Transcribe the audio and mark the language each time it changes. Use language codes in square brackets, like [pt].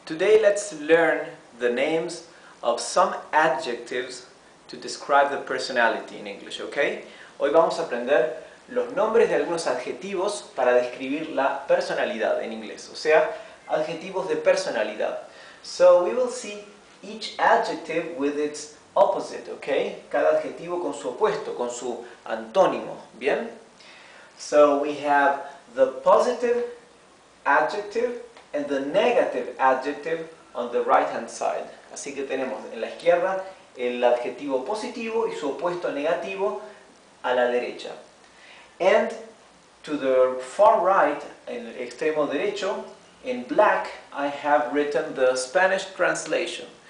[en] Today let's learn the names of some adjectives to describe the personality in English, okay? [es] Hoy vamos a aprender los nombres de algunos adjetivos para describir la personalidad en inglés, o sea, adjetivos de personalidad. [en] So we will see each adjective with its opposite, okay? [es] Cada adjetivo con su opuesto, con su antónimo, ¿bien? [en] So we have the positive adjective and the negative adjective on the right hand side. [es] Así que tenemos en la izquierda el adjetivo positivo y su opuesto negativo a la derecha. [en] And to the far right, [es] en el extremo derecho, [en] in black, I have written the Spanish translation.